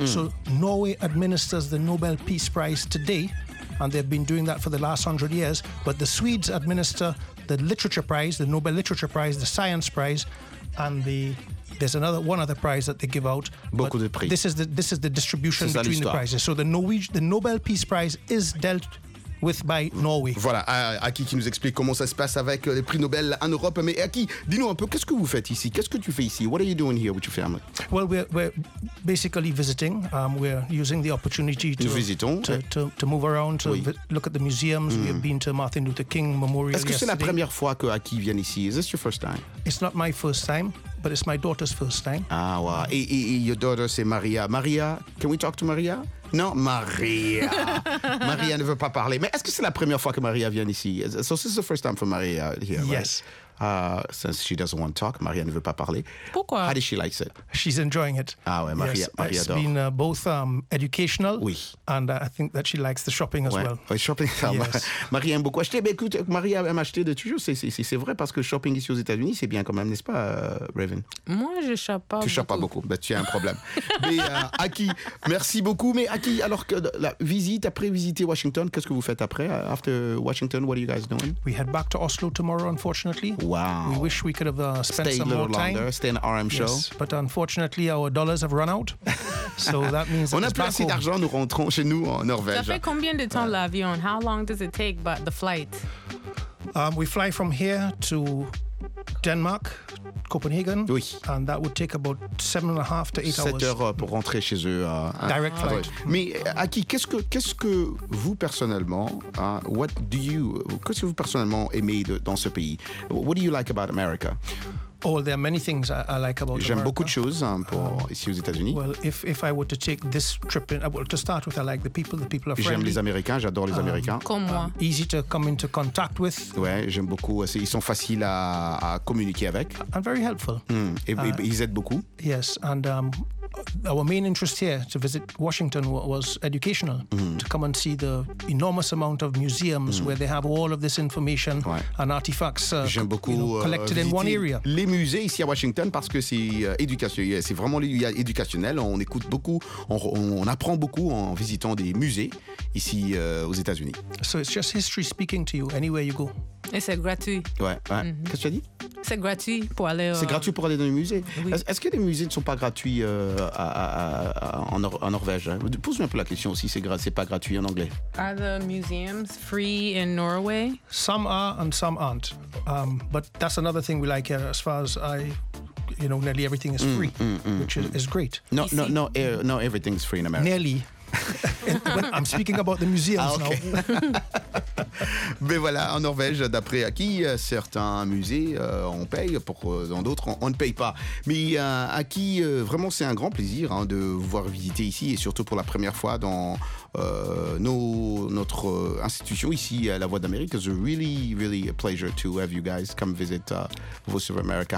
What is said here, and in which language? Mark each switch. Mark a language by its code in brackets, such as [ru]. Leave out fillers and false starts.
[en] So Norway administers the Nobel Peace Prize today, and they've been doing that for the last 100 years. But the Swedes administer the Literature Prize, the Nobel Literature Prize, the Science Prize, and there's another prize that they give out. [fr] Beaucoup de prix. [en] This is the distribution between the prizes. So the Nobel Peace Prize is dealt with by Norway. [fr] Voilà, Aki qui nous explique comment ça se passe avec les prix Nobel en Europe. Mais Aki, dis-nous un peu, qu'est-ce que vous faites ici? Qu'est-ce que tu fais ici? [en] What are you doing here with your family? Well, we're basically visiting. We're using the opportunity to move around, look at the museums. Mm. We have been to Martin Luther King Memorial. [fr] Est-ce que c'est la première fois que Aki vient ici? [en] Is this your first time? It's not my first time, but it's my daughter's first time. Ah, wow. Et your daughter, c'est Maria. Maria, can we talk to Maria? [fr] Non, Maria. Maria ne veut pas parler. Mais est-ce que c'est la première fois que Maria vient ici? [en] So this is the first time for Maria here, right? Yes. Since she doesn't want to talk, Maria [fr] ne veut pas parler. Pourquoi? [en] How does she like it? She's enjoying it. [fr] Ah ouais, Maria, [en] yes, Maria adore. It's been both educational. [fr] Oui. [en] And I think that she likes the shopping as well. [fr] Oui, shopping. [en] Yes. [fr] Maria aime beaucoup acheter. Mais écoute, Maria aime acheter de toujours. C'est vrai parce que shopping ici aux États-Unis, c'est bien quand même, n'est-ce pas, Raven? Moi, je ne shoppe pas beaucoup. Tu ne shoppes pas beaucoup. Mais tu as un problème. Mais Aki, merci beaucoup. Mais Aki, alors que la visite, après visiter Washington, qu'est-ce que vous faites après? [en] After Washington, what are you guys doing? We head back to Oslo tomorrow, unfortunately. Wow. We wish we could have spent some more time. Stay a little longer, stay in RM Show. Yes, but unfortunately, our dollars have run out. So that means [fr] on a plus assez d'argent, nous rentrons chez nous en Norvège. Ça fait combien de temps l'avion? [en] How long does it take, but the flight? We fly from here to Denmark, Copenhagen. [fr] Oui. [en] And that would take about 7.5 to 8 hours. [fr] 7 heures pour rentrer chez eux. [en] Direct flight. Ah, [fr] ouais. Mais Aki, qu'est-ce que vous personnellement, qu'est-ce que vous personnellement aimez dans ce pays? [en] What do you like about America? Oh, well, there are many things I like about. [fr] J'aime [en] America. [fr] Beaucoup de choses pour ici aux États-Unis. [en] Well, if I were to take this trip in, well, to start with, I like the people are friendly. [fr] J'aime les Américains, j'adore les Américains. Comme moi. [en] Easy to come into contact with. [fr] Ouais, j'aime beaucoup. Ils sont faciles à communiquer avec. [en] And very helpful. [fr] Ils aident beaucoup. [en] Yes, and our main interest here to visit Washington was educational, to come and see the enormous amount of museums where they have all of this information and artifacts collected in one area. [fr] Les musées ici à Washington parce que c'est éducationnel, c'est vraiment éducationnel. On écoute beaucoup, on apprend beaucoup en visitant des musées ici aux États-Unis. [en] So it's just history speaking to you anywhere you go. [fr] Et c'est gratuit. Ouais. Mm-hmm. Qu'est-ce que tu as dit? C'est gratuit pour aller. C'est gratuit pour aller dans les musées. Oui. Est-ce que les musées ne sont pas gratuits en Norvège? Hein? Pose-moi un peu la question aussi. C'est pas gratuit en anglais. [en] Are the museums free in Norway? Some are and some aren't. But that's another thing we like here. As far as I, you know, nearly everything is free, which is great. No, everything's free in America. Nearly. I'm speaking about the museums now. [fr] Mais voilà, en Norvège, d'après Aki, certains musées, on paye, pour dans d'autres, on ne paye pas. Mais Aki, vraiment, c'est un grand plaisir de vous voir visiter ici, et surtout pour la première fois dans notre institution ici, à La Voix d'Amérique. [en] It's a really, really a pleasure to have you guys come visit Voice of America.